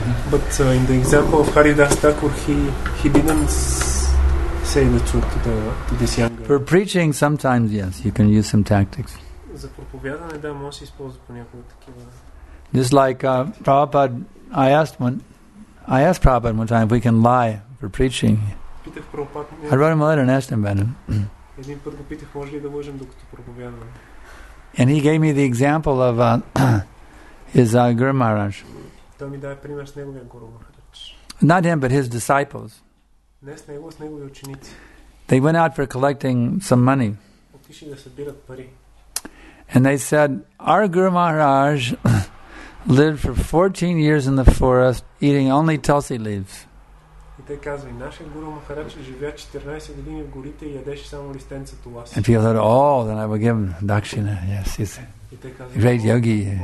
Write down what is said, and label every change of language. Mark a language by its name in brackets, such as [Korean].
[English] But in the example of Хари Дас Такур, he didn't say the truth to this young girl. For preaching, sometimes yes, you can use some tactics. [Bulgarian] за проповядване, да, може да се използва по някои такива. [English] Just like Prabhupada, I asked Prabhupada one time if we can lie for preaching. [Bulgarian] Питах Прабхупад. [English] I wrote him a letter and asked him about it. [Bulgarian] Един път го питах, може ли да лъжим докато проповядваме. [English] And he gave me the example of his Guru Maharaj. [Bulgarian] Той ми даде пример с неговия Guru Maharaj. [English] Not him, but his disciples. [Bulgarian] Не с него, с негови ученици. [English] They went out for collecting some money. [Bulgarian] Отиши да събират пари. [English] And they said, our Guru Maharaj lived for 14 years in the forest eating only tulsi leaves. [Bulgarian] И те казва, нашия Guru Maharaj живя 14 години в горите и ядеше само листенца тулас. [English] And people said, oh, then I will give him dakshina. Yes, he's a great yogi.